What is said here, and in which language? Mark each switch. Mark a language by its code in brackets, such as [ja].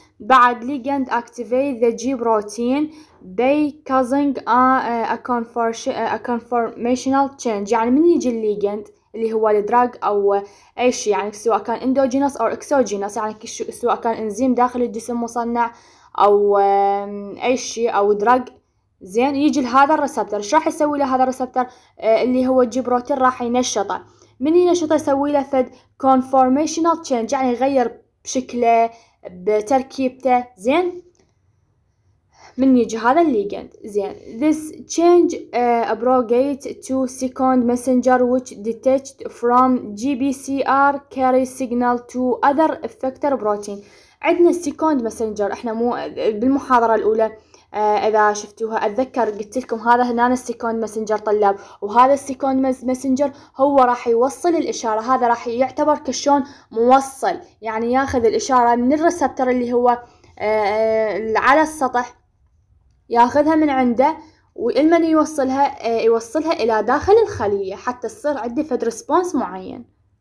[ar] بعد [en] legend activate the G protein by causing a conformational change, [ar] يعني من يجي الليجند اللي هو الدراج او اي شيء، يعني سواء كان اندوجينوس او اكسوجينوس، يعني سواء كان انزيم داخل الجسم مصنع او اي شيء او دراج. زين يجي لهذا الريسبتر، ايش راح يسوي لهذا الريسبتر اللي هو الجي بروتين؟ راح ينشطه. من ينشطه يسوي له فد كونفورميشنال تشينج، يعني يغير بشكله بتركيبته. زين من يجي هذا الليجند، زين [en] this change propagate to second messenger which detached from GPCR carry signal to other effector protein. [ar] عندنا second messenger، احنا مو بالمحاضره الاولى اذا شفتوها اتذكر قلت لكم هذا هنا السيكوند مسنجر طلاب، وهذا السيكوند مسنجر هو راح يوصل الاشاره، هذا راح يعتبر كشون موصل، يعني ياخذ الاشاره من الريسبتر اللي هو على السطح، ياخذها من عنده والمن يوصلها، يوصلها الى داخل الخليه حتى تصير عنده فد ريسبونس معين.